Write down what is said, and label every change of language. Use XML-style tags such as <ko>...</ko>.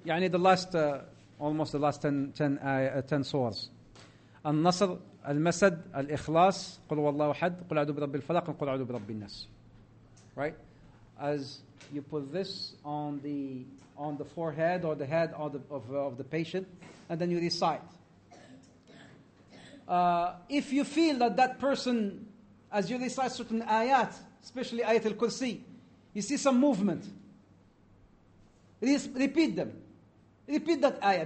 <en>يعني the last, almost the last 10 surahs. Al-Nasr,</en> <ar>المسد الإخلاص قل والله أحد قل أعوذ برب الفلق قل أعوذ برب الناس.</ar> <en>Right, as you put this on the forehead or the head of the of the patient, and then you recite. If you feel that that person, as you recite certain ayat, especially ayat al-Kursi, you see some movement, repeat them, repeat that ayah.</en>